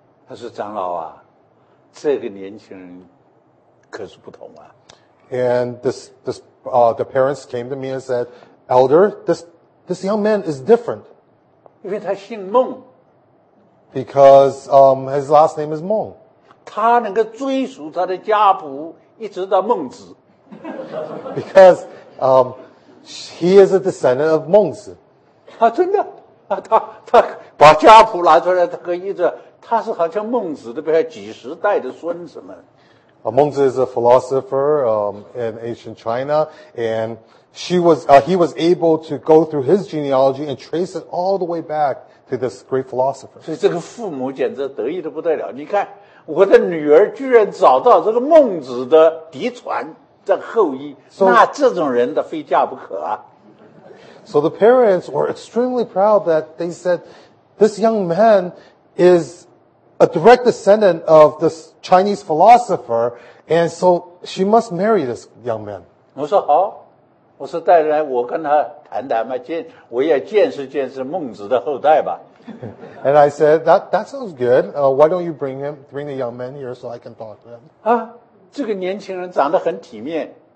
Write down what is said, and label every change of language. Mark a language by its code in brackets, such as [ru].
[zh] 他说：“长老啊，这个年轻人可是不同啊。” [en] And the parents came to me and said, "Elder, this young man is different." [zh] 因为他姓孟。 [en] Because his last name is Meng. [zh] 他能够追溯他的家谱一直到孟子。 [en] Because he is a descendant of 孟子。 [zh] 啊，真的啊，他把家谱拿出来，他可以说他是好像孟子的不晓得几十代的孙子们。 [en] Meng Zi is a philosopher in ancient China, and he was able to go through his genealogy and trace it all the way back to this great philosopher. [zh] 所以这个父母简直得意得不得了。你看，我的女儿居然找到这个孟子的嫡传的后裔，那这种人的非嫁不可啊。 [en] So the parents were extremely proud that they said, this young man is a direct descendant of this Chinese philosopher, and so she must marry this young man. [zh] 我说好，我说带来我跟他谈谈嘛，我也见识见识孟子的后代吧。 [en] And I said, that sounds good. Why don't you bring the young man here so I can talk to him? [zh] 啊，这个年轻人长得很体面。